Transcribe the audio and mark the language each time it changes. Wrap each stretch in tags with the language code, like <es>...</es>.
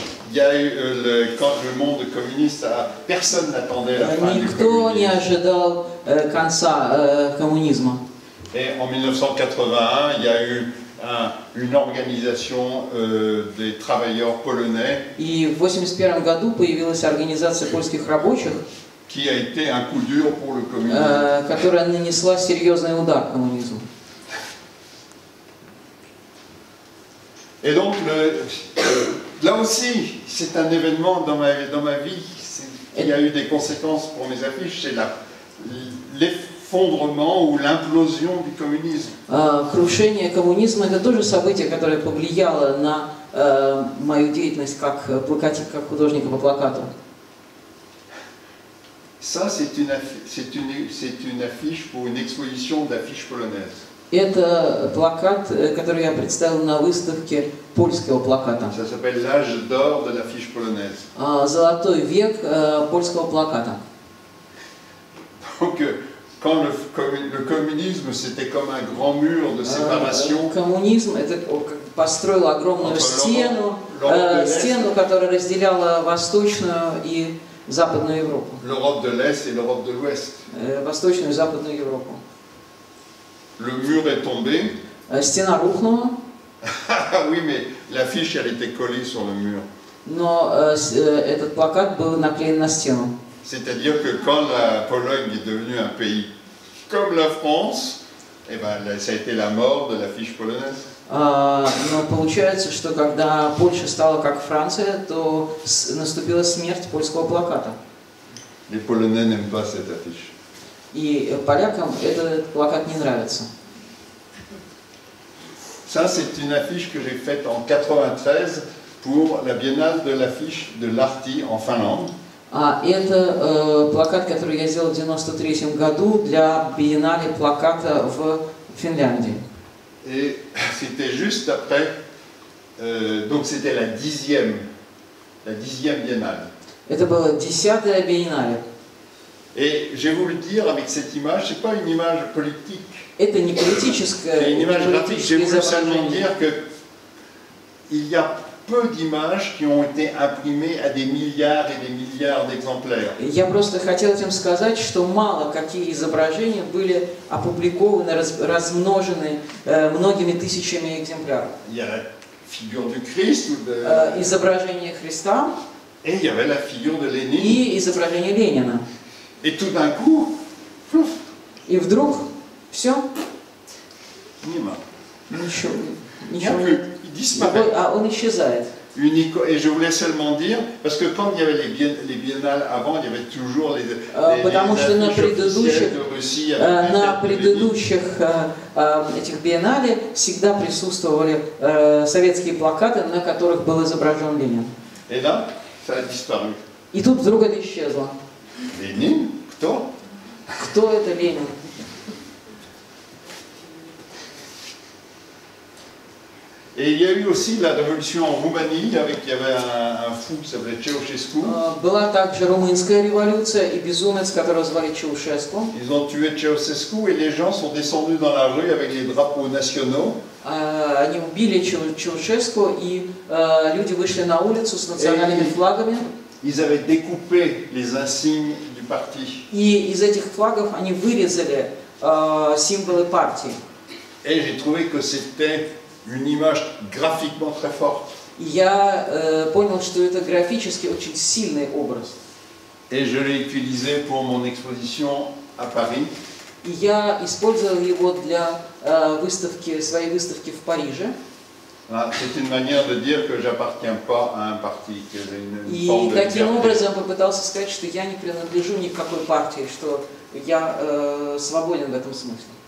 <fr>Il y a eu quand le monde communiste a personne n'attendait la fin du communisme.</fr> <ru>Никто не ожидал конца коммунизма.</ru> <fr>Et en 1981, il y a eu une organisation des travailleurs polonais.</fr> <ru>И в 81 году появилась организация польских рабочих.</ru> <fr>Qui a été un coup dur pour le communisme.</fr> <ru>Которая нанесла серьезный удар коммунизму.</ru> <fr>Et donc le là aussi, c'est un événement dans ma vie qui a eu des conséquences pour mes affiches, c'est l'effondrement ou l'implosion du communisme.</fr> <ru>Крушение коммунизма это тоже событие, которое повлияло на мою деятельность как плакатчика, как художника по плакату.</ru> <fr>Ça, c'est une affiche, c'est une affiche pour une exposition d'affiches polonaises.</fr> <ru>Это плакат, который я представил на выставке польского плаката.</ru> <fr>Ça s'appelle l'âge d'or de l'affiche polonaise.</fr> <ru>Золотой век польского плаката.</ru> <fr>Donc, quand le communisme, c'était comme un grand mur de séparation.</fr> <ru>Коммунизм это построил огромную стену, стену, которая разделяла восточную и западную Европу.</ru> <fr>L'Europe de l'Est et l'Europe de l'Ouest.</fr> <ru>Восточную и западную Европу.</ru> <fr>Le mur est tombé.</fr> <ru>Стена рухнула.</ru> <fr>Oui, mais l'affiche elle était collée sur le mur.</fr> <ru>Но этот плакат был наклеен на стену.</ru> <fr>C'est-à-dire que quand la Pologne est devenue un pays comme la France, eh ben ça a été la mort de l'affiche polonaise.</fr> <ru>Но получается, что когда Польша стала как Франция, то наступила смерть польского плаката.</ru> <fr>Les Polonais n'aiment pas cette affiche.</fr> <ru>И полякам этот плакат не нравится.</ru> <fr>Ça c'est une affiche que j'ai faite en 93 pour la Biennale de l'affiche de l'Arti en Finlande.</fr> <ru>А это плакат, который я сделал в 93 году для Биеннале плаката в Финляндии.</ru> <fr>Et c'était juste après, donc c'était la dixième Biennale.</fr> <ru>Это была десятая Биеннале.</ru> <fr>Et je vais vous le dire avec cette image, c'est pas une image politique.</fr> <ru>Это не политическая.</ru> <fr>C'est une image graphique. Je voulais simplement dire que il y a peu d'images qui ont été imprimées à des milliards et des milliards d'exemplaires.</fr> <ru>Я просто хотел этим сказать, что мало какие изображения были опубликованы, размножены многими тысячами экземпляров.</ru> <fr>Il y a la figure du Christ.</fr> <ru>Изображение Христа.</ru> <fr>Et il y avait la figure de Lénine.</fr> <ru>И изображение Ленина.</ru> <fr>Et tout d'un coup, pouf.</fr> <ru>И вдруг все. Мимо. Ничего.</ru> <fr>Il disparaît.</fr> <ru>А он исчезает.</ru> <fr>Unique. Et je voulais seulement dire, parce que quand il y avait les biennales avant, il y avait toujours les</fr> <ru>Потому что на предыдущих, этих биеннале всегда присутствовали советские плакаты, на которых был изображен Ленин.</ru> <fr>Et là, ça a disparu.</fr> <ru>И тут вдруг это исчезло. Ленин? Кто? Кто это Ленин?</ru> <fr>Et il y a eu aussi la révolution en Roumanie avec il y avait un fou qui s'appelait Ceaușescu.</fr> <ru>Была также румынская революция и безумец, которого звали Чаушеску.</ru> <fr>Ils ont tué Ceaușescu et les gens sont descendus dans la rue avec les drapeaux nationaux.</fr> <ru>Они убили Чаушеску и люди вышли на улицу с национальными флагами.</ru> <fr>Ils avaient découpé les insignes du parti.</fr> <ru>И из этих флагов они вырезали символы партии.</ru> <fr>Et j'ai trouvé que c'était une image graphiquement très forte.</fr> <ru>Я понял, что это графически очень сильный образ.</ru> <fr>Et je l'ai utilisé pour mon exposition à Paris.</fr> <ru>И я использовал его для выставки своей выставки в Париже.</ru> <fr>Voilà, c'est une manière de dire que j'appartiens pas à un parti, que j'ai une forme de liberté.</fr> <ru>И таким образом попытался сказать, что я не принадлежу ни к какой партии, что я свободен в этом смысле.</ru>